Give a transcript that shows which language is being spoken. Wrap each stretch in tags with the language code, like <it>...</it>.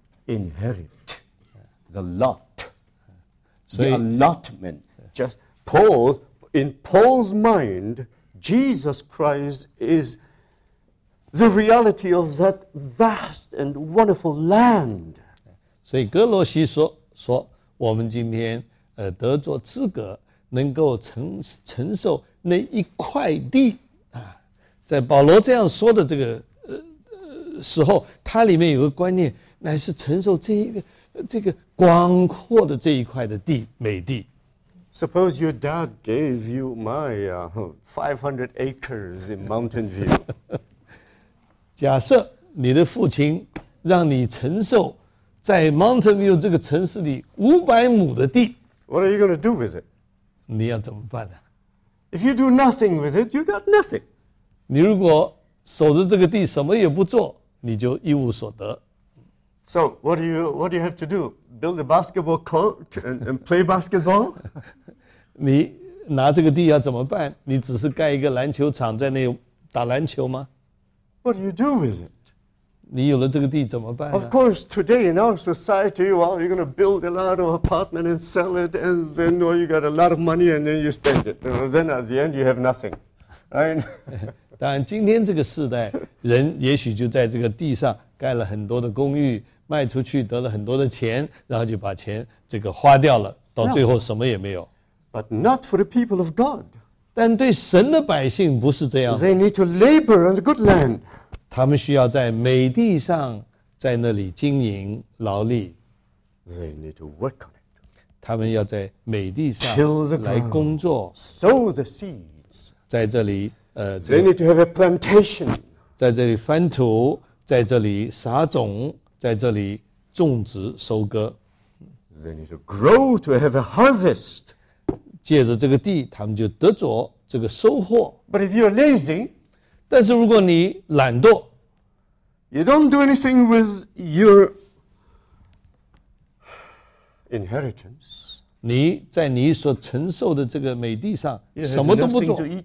<en>Inherit the lot, the allotment. Just Paul, in Paul's mind, Jesus Christ is the reality of that vast and wonderful land.</en> <zh>所以哥罗西说，说我们今天得着资格，能够承受那一块地啊。在保罗这样说的这个时候，他里面有个观念，乃是承受这一个这个广阔的这一块的地，美地。</zh> <en>Suppose your dad gave you my 500 acres in Mountain View.</en> <zh>假设你的父亲让你承受在 Mountain View 这个城市里500亩的地。</zh> <en>What are you going to do with it?</en> <zh>你要怎么办呢？</zh> <en>If you do nothing with it, you got nothing.</en> <zh>你如果守着这个地什么也不做，你就一无所得。</zh> <en>So what do you have to do? Build a basketball court and play basketball?</en> <zh>你拿这个地要怎么办？你只是盖一个篮球场在那打篮球吗？</zh> <en>What do you do with it?</en> <zh>你有了这个地怎么办？</zh> <en>Of course, today in our society, well, you're going to build a lot of apartment and sell it, and then well, you got a lot of money, and then you spend it. Then at the end, you have nothing. Right?</en> <zh>但今天这个时代，人也许就在这个地上盖了很多的公寓，卖出去得了很多的钱，然后就把钱这个花掉了，到最后什么也没有。</zh> <en>But not for the people of God.</en> <zh>但对神的百姓不是这样。</zh> <en>They need to labor on the good land.</en> <zh>他们需要在美地上，在那里经营劳力。</zh> <en>They need to work on it.</en> <zh>他们要在美地上来工作。</zh> <en>Sow the seeds.</en> <zh>在这里</zh> <en>They need to have a plantation.</en> <zh>在这里翻土，在这里撒种，在这里种植收割。</zh> <en>They need to grow to have a harvest.</en> <zh>借着这个地，他们就得着这个收获。</zh> <en>But if you're lazy,</en> <zh>但是如果你懒惰，</zh> <en>you don't do anything with your inheritance.</en> <zh>你在你所承受的这个美地上什么都不做。</zh>